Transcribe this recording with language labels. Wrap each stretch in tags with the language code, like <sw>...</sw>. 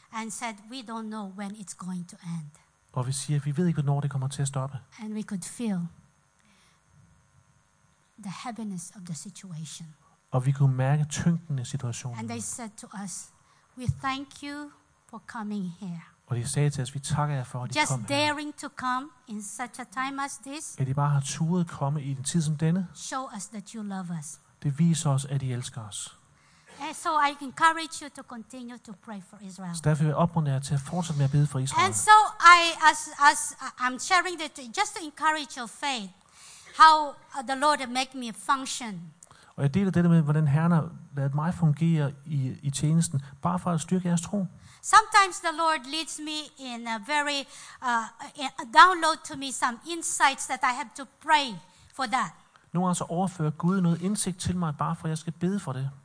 <en>And said we don't know when it's going to end.</en> <da>Og vi siger, at vi ved ikke, hvornår det kommer til at stoppe.</da> <en>And we could feel the heaviness of the situation.</en> <da>Og vi kunne mærke tyngden af situationen.</da> <en>And they said to us, we thank you for coming here.</en> <da>Og de sagde til os, vi takker jer for at I kom.</da> <en>Just daring to come in such a time as this.</en> <da>At I bare har turet komme i en tid som denne.</da> <en>Show us that you love us.</en> <da>Det viser os, at I elsker os.</da> <en>And so I encourage you to continue to pray for Israel.</en> <da>Så derfor vil jeg opmuntre jer til at fortsætte med at bede for Israel.</da> <en>And so I, as I'm sharing that, just to encourage your faith, how the Lord make me function.</en> <da>Og jeg deler dette med, hvordan Herren har ladet mig fungere i tjenesten, bare for at styrke jeres tro.</da> <en>Sometimes the Lord leads me in a very download to me some insights that I have to pray for that.</en> <da>Nogle gange så overfører Gud noget indsigt til mig, bare for at jeg skal bede for det.</da>